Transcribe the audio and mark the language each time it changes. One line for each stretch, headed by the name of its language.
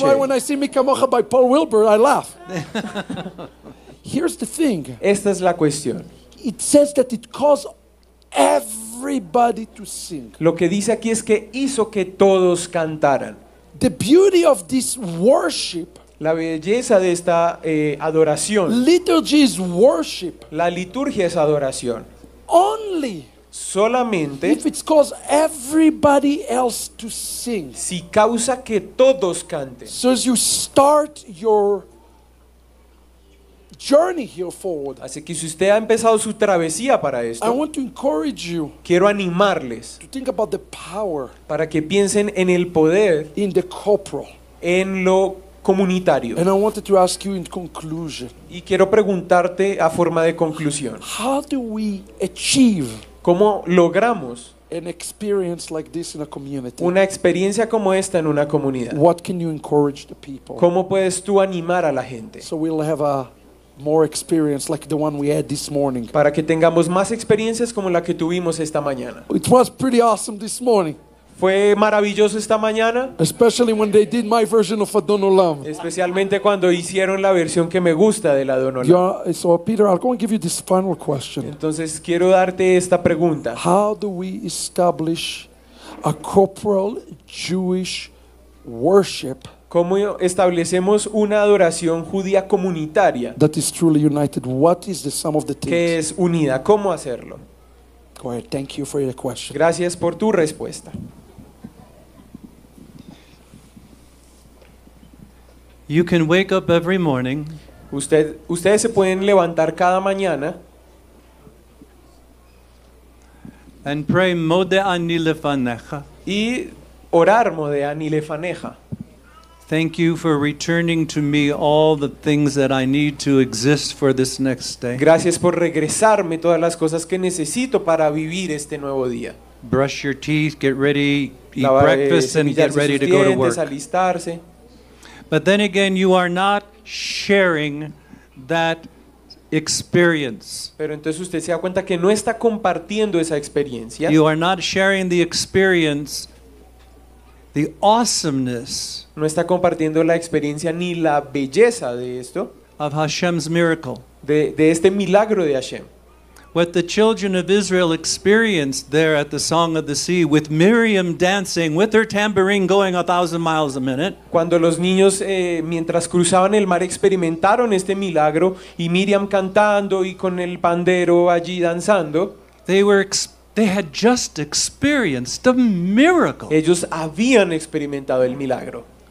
English: That's why when I see Mika Moja by Paul Wilbur, I laugh. Here's the thing.
Spanish: Esta es la cuestión.
English: It says that it caused everybody to sing.
Spanish: Lo que dice aquí es que hizo que todos cantaran.
English: The beauty of this worship.
Spanish: La belleza de esta adoración.
English: Liturgy is worship.
Spanish: La liturgia es adoración.
English: Only.
Spanish: Solamente.
English: If it's caused everybody else to sing.
Spanish: Si causa que todos canten.
English: So as you start your journey here forward.
Spanish: Así que si usted ha empezado su travesía para esto.
English: I want to encourage you.
Spanish: Quiero animarles.
English: To think about the power.
Spanish: Para que piensen en el poder.
English: In the corporal.
Spanish: En lo comunitario.
English: And I wanted to ask you in conclusion.
Spanish: Y quiero preguntarte a forma de conclusión.
English: How do we achieve?
Spanish: ¿Cómo logramos
English: an experience like this in a community?
Spanish: Una experiencia como esta en una comunidad.
English: What can you encourage the people?
Spanish: ¿Cómo puedes tú animar a la gente?
English: So we'll have a more experience like the one we had this morning.
Spanish: Para que tengamos más experiencias como la que tuvimos esta mañana.
English: It was pretty awesome this morning.
Spanish: Fue maravilloso esta mañana.
English: Especially when they did my version of Adon Olam.
Spanish: Especialmente cuando hicieron la versión que me gusta de la Adon Olam.
English: So Peter, I'll go and give you this final question.
Spanish: Entonces quiero darte esta pregunta.
English: How do we establish a corporal Jewish worship?
Spanish: ¿Cómo establecemos una adoración judía comunitaria?
English: That is truly united. What is the sum of the things?
Spanish: Que es unida. ¿Cómo hacerlo?
English: Go ahead. Thank you for your question.
Spanish: Gracias por tu respuesta.
English: You can wake up every morning.
Spanish: Ustedes se pueden levantar cada mañana.
English: And pray
Hebrew: mode ani lefanecha.
Spanish: Y orar
Hebrew: mode ani lefanecha.
English: Thank you for returning to me all the things that I need to exist for this next day.
Spanish: Gracias por regresarme todas las cosas que necesito para vivir este nuevo día.
English: Brush your teeth, get ready, eat breakfast, and get ready to go to work.
Spanish: Alistarse.
English: But then again, you are not sharing that experience.
Spanish: Pero entonces usted se da cuenta que no está compartiendo esa experiencia.
English: You are not sharing the experience, the awesomeness.
Spanish: No está compartiendo la experiencia ni la belleza de esto.
English: Of Hashem's miracle.
Spanish: De este milagro de Hashem.
English: What the children of Israel experienced there at the Song of the Sea, with Miriam dancing, with her tambourine going 1,000 miles a minute.
Spanish: Cuando los niños, mientras cruzaban el mar, experimentaron este milagro y Miriam cantando y con el pandero allí danzando.
English: They had just experienced a miracle.
Spanish: Ellos habían experimentado el milagro.